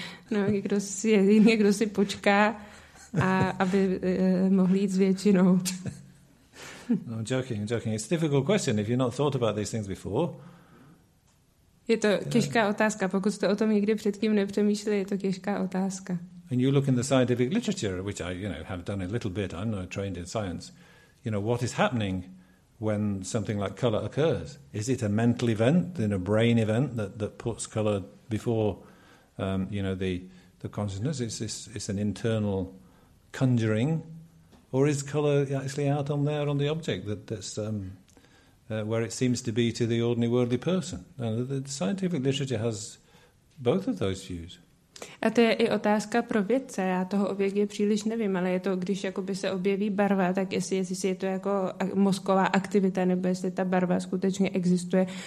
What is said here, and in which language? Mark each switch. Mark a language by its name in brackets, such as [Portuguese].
[Czech] No, někdo si počká, aby mohl jít s většinou. [English] No, I'm joking. It's a difficult question if you've not thought about these things before. [Czech] Je to těžká otázka, pokud jste o tom nikdy předtím nepřemýšleli, je to těžká otázka. [English] And you look in the scientific literature, which I, have done a little bit. I'm not trained in science. What is happening when something like color occurs? Is it a mental event, then a brain event that puts color before the consciousness? It's an internal conjuring, or is color actually out on there on the object where it seems to be to the ordinary worldly person. And the scientific literature has both of those views. [Czech] A to je i otázka pro vědce. Já toho o vědě příliš nevím, ale je to, když jakoby se objeví barva, tak jestli je to jako mozková aktivita, nebo jestli ta barva skutečně existuje.